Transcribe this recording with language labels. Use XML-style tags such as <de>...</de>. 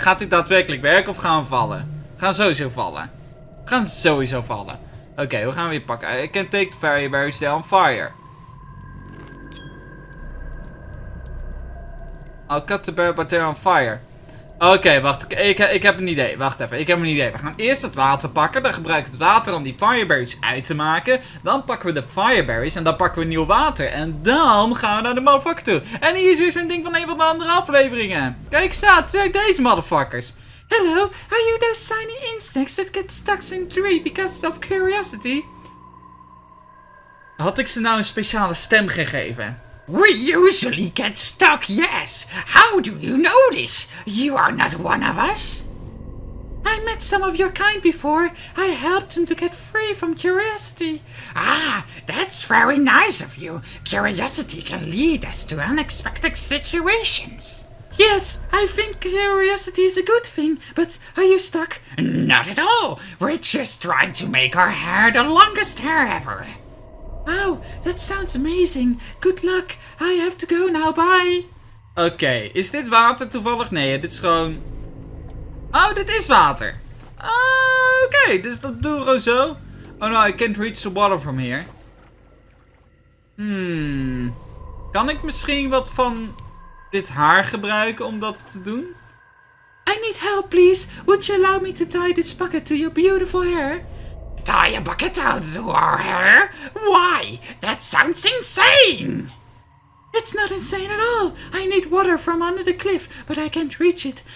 <nl>Gaat hij daadwerkelijk werken of gaan we vallen? We gaan sowieso vallen. Okay, we gaan weer pakken.</nl> <en>I can take the fireberry still on fire. I'll cut the bear butter on fire.</en> <nl>Okay, wacht. Ik heb een idee. Wacht even. We gaan eerst het water pakken. Dan gebruik ik het water om die fireberries uit te maken. Dan pakken we de fireberries en dan pakken we nieuw water. En dan gaan we naar de motherfucker toe. En hier is weer zo'n ding van een van de andere afleveringen. Kijk, staat. Zijn deze motherfuckers.</nl> <en>Hello, are you those shiny insects that get stuck in a tree because of curiosity?</en> <nl>Had ik ze nou een speciale stem gegeven?</nl> <en>We usually get stuck, yes. How do you know this? You are not one of us. I met some of your kind before. I helped them to get free from curiosity. Ah, that's very nice of you. Curiosity can lead us to unexpected situations. Yes, I think curiosity is a good thing, but are you stuck? Not at all. We're just trying to make our hair the longest hair ever. Wow, that sounds amazing. Good luck. I have to go now. Bye.</en> <nl>Okay, is dit water toevallig? Nee, dit is gewoon... Oh, dit is water. Okay, dus dat doen we gewoon zo.</nl> <en>Oh no, I can't reach the water from here.</en> <nl>Kan ik misschien wat van... dit haar gebruiken om dat te doen?</nl> <en>I need help, please. Would you allow me to tie this bucket to your beautiful hair? Tie a bucket to our hair? Why? That sounds insane! It's not insane at all. I need water from under the cliff, but I can't reach it.</en>